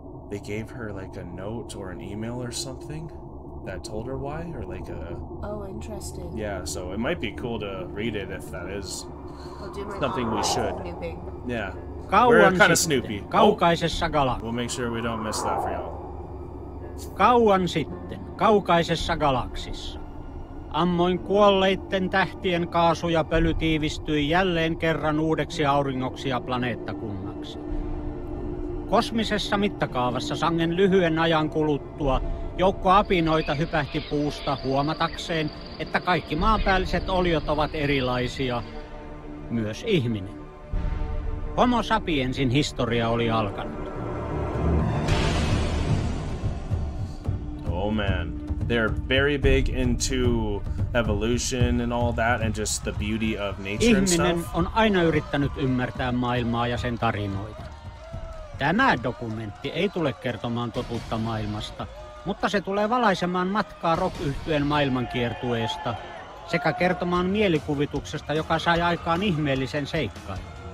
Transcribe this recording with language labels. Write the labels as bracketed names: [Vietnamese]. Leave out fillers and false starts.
[English] They gave her like a note or an email or something that told her why, or like a... Oh, interesting. Yeah, so it might be cool to read it if that is something we should. Snooping. Yeah. We're kind of snoopy. Oh. We'll make sure we don't miss that for y'all. [Finnish] Kauan sitten, kaukaisessa galaksissa. Ammoin kuolleitten tähtien kaasu ja pöly tiivistyi jälleen kerran uudeksi auringoksi ja planeettakunnaksi. Kosmisessa mittakaavassa sangen lyhyen ajan kuluttua joukko apinoita hypähti puusta huomatakseen, että kaikki maanpäälliset oliot ovat erilaisia, myös ihminen. Homo sapiensin historia oli alkanut. [English] Oh man. They're very big into evolution and all that, and just the beauty of nature and stuff. [Finnish] Ihminen on aina yrittänyt ymmärtää maailmaa ja sen tarinoita. Tämä dokumentti ei tule kertomaan totuutta maailmasta, mutta se tulee valaisemaan matkaa rock-yhtyeen maailmankiertueesta sekä kertomaan mielikuvituksesta, joka sai aikaan ihmeellisen seikkailun.